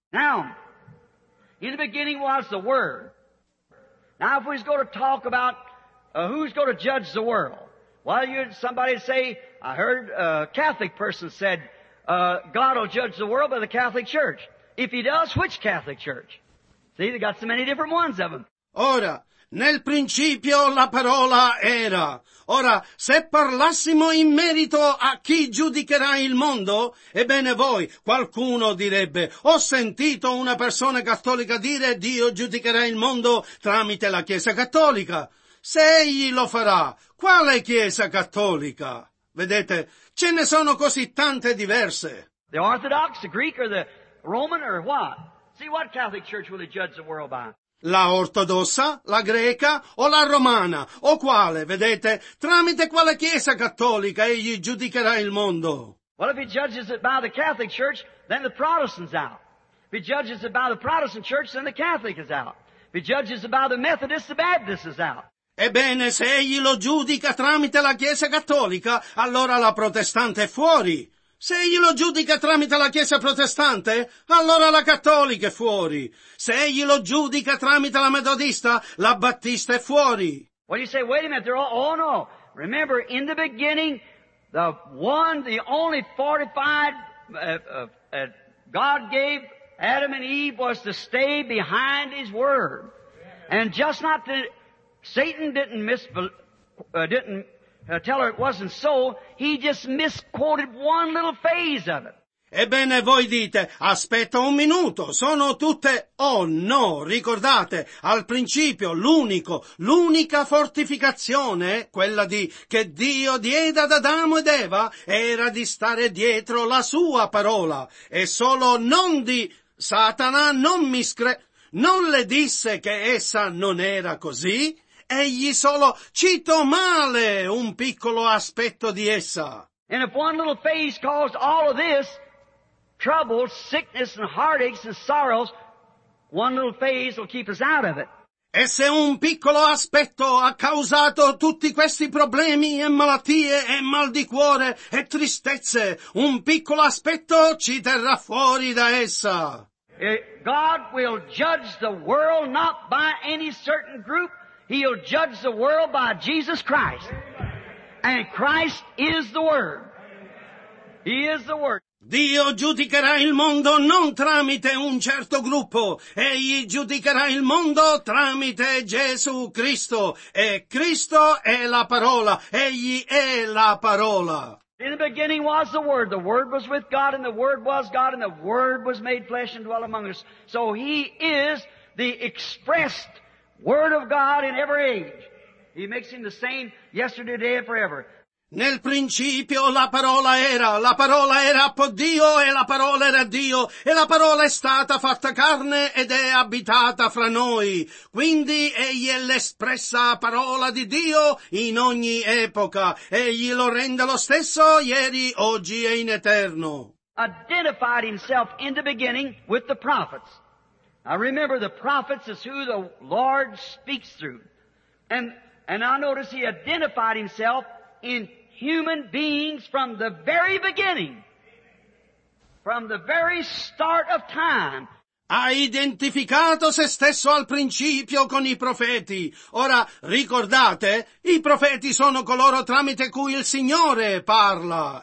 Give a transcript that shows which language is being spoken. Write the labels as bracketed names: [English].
[English] Now, in the beginning was the Word. Now if we're going to talk about who's going to judge the world, why would somebody say, I heard a Catholic person said, God will judge the world by the Catholic Church. If he does, which Catholic Church? See, they got so many different ones of them. [Italian] Ora, nel principio la parola era. Ora, se parlassimo in merito a chi giudicherà il mondo, ebbene voi, qualcuno direbbe, ho sentito una persona cattolica dire Dio giudicherà il mondo tramite la Chiesa Cattolica. Se egli lo farà, quale Chiesa Cattolica? Vedete, ce ne sono così tante diverse. [English] The Orthodox, the Greek, or the Roman, or what? See, what Catholic Church will they judge the world by? [Italian] La ortodossa, la greca, o la romana, o quale, vedete, tramite quale Chiesa Cattolica egli giudicherà il mondo? [English] Well, if he judges it by the Catholic Church, then the Protestant's out. If he judges it by the Protestant Church, then the Catholic is out. If he judges it by the Methodist, the Baptist is out. [Italian] Ebbene, se egli lo giudica tramite la Chiesa Cattolica, allora la protestante è fuori. Se egli lo giudica tramite la Chiesa Protestante, allora la Cattolica è fuori. Se egli lo giudica tramite la Metodista, la Battista è fuori. [English] Well, you say, wait a minute, they're all, oh no. Remember, in the beginning, the one, the only fortified that God gave Adam and Eve was to stay behind his word. And just not to... Satan didn't tell her it wasn't so, he just misquoted one little phase of it. [Italian] Ebbene, voi dite, aspetta un minuto, sono tutte, oh no, ricordate, al principio, l'unica fortificazione, quella di che Dio diede ad Adamo ed Eva, era di stare dietro la sua parola, e solo non di Satana, non le disse che essa non era così? Egli solo citò male un piccolo aspetto di essa. [English] And if one little phase caused all of this, trouble, sickness and heartaches and sorrows, one little phase will keep us out of it. [Italian] E se un piccolo aspetto ha causato tutti questi problemi e malattie e mal di cuore e tristezze, un piccolo aspetto ci terrà fuori da essa. [English] God will judge the world not by any certain group, He'll judge the world by Jesus Christ. And Christ is the Word. He is the Word. [Italian] Dio giudicherà il mondo non tramite un certo gruppo. Egli giudicherà il mondo tramite Gesù Cristo. E Cristo è la parola. Egli è la parola. [English] In the beginning was the Word. The Word was with God, and the Word was God, and the Word was made flesh and dwelt among us. So He is the expressed Word of God in every age. He makes him the same yesterday, today, and forever. [Italian] Nel principio la parola era con Dio e la parola era Dio e la parola è stata fatta carne ed è abitata fra noi. Quindi egli è l'espressa parola di Dio in ogni epoca. Egli lo rende lo stesso ieri, oggi e in eterno. [English] Identified himself in the beginning with the prophets. Now remember, the prophets is who the Lord speaks through. And I notice he identified himself in human beings from the very beginning, from the very start of time. [Italian] Ha identificato se stesso al principio con i profeti. Ora, ricordate, i profeti sono coloro tramite cui il Signore parla.